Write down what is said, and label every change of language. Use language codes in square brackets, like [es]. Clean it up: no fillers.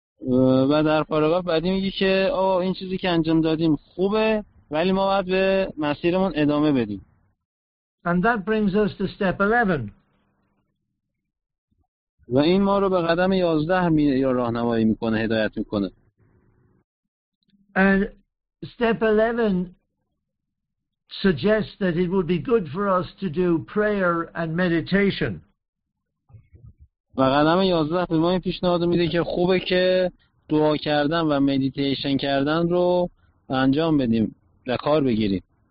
[fa] و در پاراگراف بعدی میگی که این چیزی که انجام دادیم خوبه، ولی ما باید به مسیرمون ادامه بدیم. [en] And that brings us to step 11. [fa] و این ما رو به قدم 11 راهنمایی میکنه، هدایت میکنه. [en] And step 11 suggest that it would be good for us to do prayer and meditation. [fa] و قدم 11 به ما این پیشنهاد میده که خوبه که دعا کردن و مدیتیشن کردن رو انجام بدیم، به کار بگیریم.